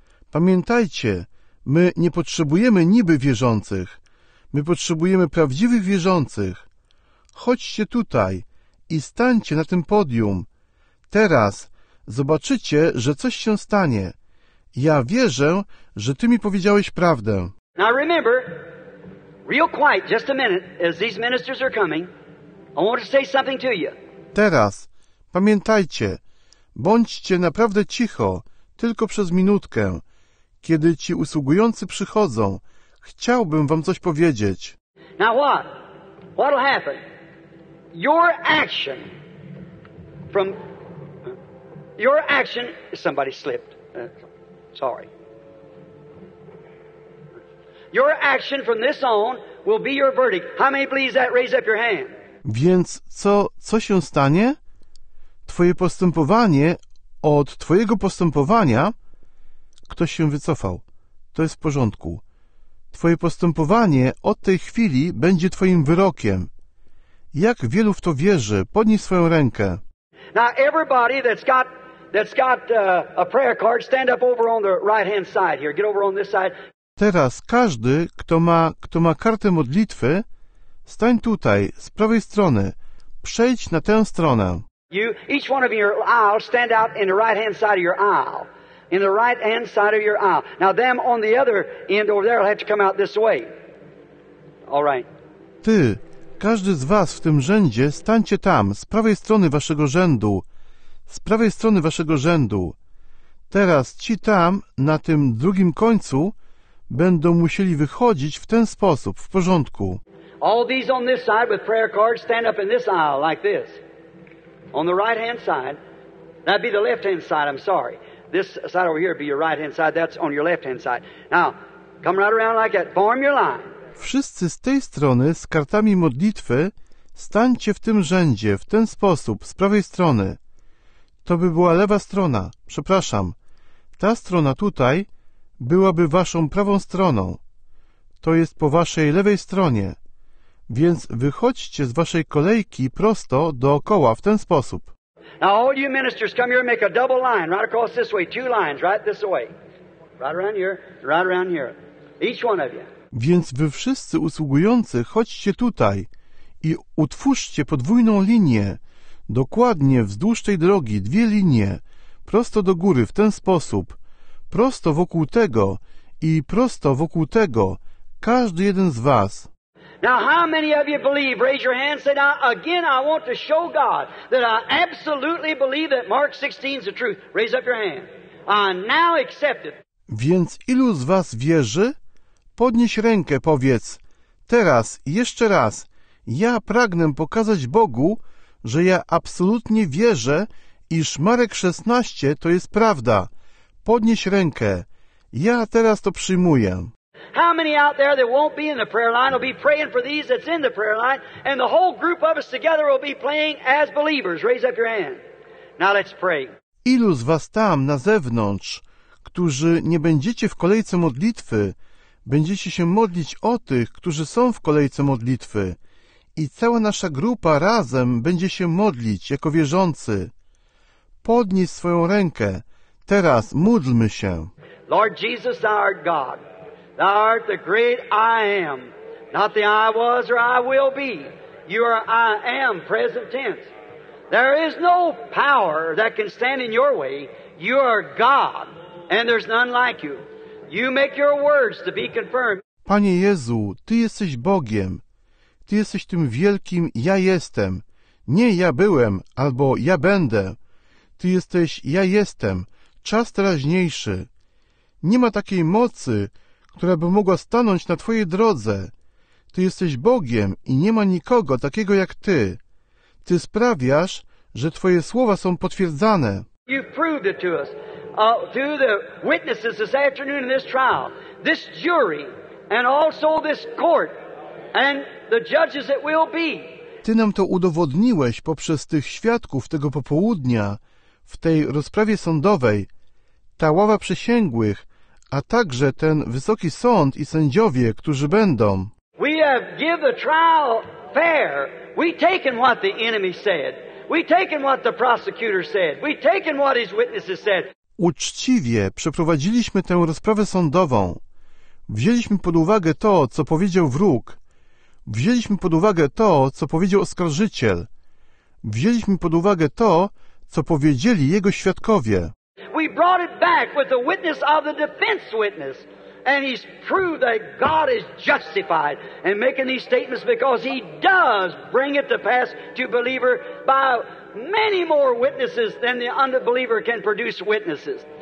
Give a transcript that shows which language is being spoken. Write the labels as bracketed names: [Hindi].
[Polish] Pamiętajcie, my nie potrzebujemy niby wierzących. My potrzebujemy prawdziwych wierzących. Chodźcie tutaj i stańcie na tym podium. Teraz zobaczycie, że coś się stanie. Ja wierzę, że ty mi powiedziałeś prawdę. [English] Now remember, real quiet, just a minute, as these ministers are coming, I want to say something to you. [Polish] Teraz, pamiętajcie, bądźcie naprawdę cicho, tylko przez minutkę. Kiedy ci usługujący przychodzą, chciałbym wam coś powiedzieć. [English] Now what? What'll happen? Your action from... Your action... Somebody slipped. Sorry. Your action from this on will be your verdict. How many believe that? Raise up your hand. [Polish] Więc co się stanie? Twoje postępowanie od twojego postępowania... Ktoś się wycofał. To jest w porządku. Twoje postępowanie od tej chwili będzie twoim wyrokiem. Jak wielu w to wierzy, podnieś swoją rękę. [English] Now everybody that's got a prayer card, stand up over on the right hand side here. Get over on this side. [Polish] Teraz każdy, kto ma kartę modlitwy, stań tutaj, z prawej strony. Przejdź na tę stronę. [English] You, each one of your aisle, stand out in the right hand side of your aisle. In the right hand side of your aisle. Now them on the other end over there will have to come out this way. All right. [Polish] Ty, każdy z was w tym rzędzie, stańcie tam, z prawej strony waszego rzędu. Z prawej strony waszego rzędu. Teraz ci tam, na tym drugim końcu, będą musieli wychodzić w ten sposób, w porządku. [English] All these on this side with prayer cards, stand up in this aisle like this. On the right hand side. That'd be the left hand side, I'm sorry. This side over here be your right hand side, that's on your left hand side. Now, come right around like that, form your line. [Polish] Wszyscy z tej strony, z kartami modlitwy, stańcie w tym rzędzie, w ten sposób, z prawej strony. To by była lewa strona, przepraszam. Ta strona tutaj byłaby waszą prawą stroną. To jest po waszej lewej stronie. Więc wychodźcie z waszej kolejki prosto dookoła w ten sposób. [English] Now all you ministers come here and make a double line right across this way, two lines right this way. Right around here, each one of you. [Polish] Więc wy wszyscy usługujący chodźcie tutaj i utwórzcie podwójną linię. Dokładnie wzdłuż tej drogi, dwie linie, prosto do góry, w ten sposób, prosto wokół tego i prosto wokół tego, każdy jeden z was. [English] Now how many of you believe, raise your hand, say, now again I want to show God that I absolutely believe that Mark 16 is the truth. Raise up your hand. I now accept it. [Polish] Więc ilu z was wierzy? Podnieś rękę, powiedz, teraz, jeszcze raz, ja pragnę pokazać Bogu, że ja absolutnie wierzę, iż Marek 16 to jest prawda. Podnieś rękę. Ja teraz to przyjmuję. [English] How many out there that won't be in the prayer line will be praying for these that's in the prayer line, and the whole group of us together will be praying as believers. Raise up your hand. Now let's pray. [Polish] Ilu z was tam na zewnątrz, którzy nie będziecie w kolejce modlitwy, będziecie się modlić o tych, którzy są w kolejce modlitwy. I cała nasza grupa razem będzie się modlić jako wierzący. Podnieś swoją rękę. Teraz módlmy się. [English] Lord Jesus, thou art God. Thou art the great I am. Not the I was or I will be. You are I am, present tense. There is no power that can stand in your way. You are God, and there's none like you. You make your words to be confirmed. [Polish] Panie Jezu, Ty jesteś Bogiem. Ty jesteś tym wielkim ja jestem. Nie ja byłem, albo ja będę. Ty jesteś ja jestem, czas teraźniejszy. Nie ma takiej mocy, która by mogła stanąć na twojej drodze. Ty jesteś Bogiem i nie ma nikogo takiego jak ty. Ty sprawiasz, że twoje słowa są potwierdzane. [English] You've proved it to us. Through the witnesses this afternoon in this trial, this jury, and also this court, and the judges that will be. [Polish] Ty nam to udowodniłeś poprzez tych świadków tego popołudnia w tej rozprawie sądowej. Ta ława przysięgłych, a także ten wysoki sąd i sędziowie, którzy będą. [English] We have given the trial fair. We've taken what the enemy said. We've taken what the prosecutor said. We've taken what his witnesses said. [Polish] Uczciwie przeprowadziliśmy tę rozprawę sądową. Wzięliśmy pod uwagę to, co powiedział wróg. Wzięliśmy pod uwagę to, co powiedział oskarżyciel. Wzięliśmy pod uwagę to, co powiedzieli jego świadkowie. [English] We brought it back with the witness of the defense witness. And he's proved that God is justified in making these statements because he does bring it to pass to believer by many more witnesses than the unbeliever can produce witnesses.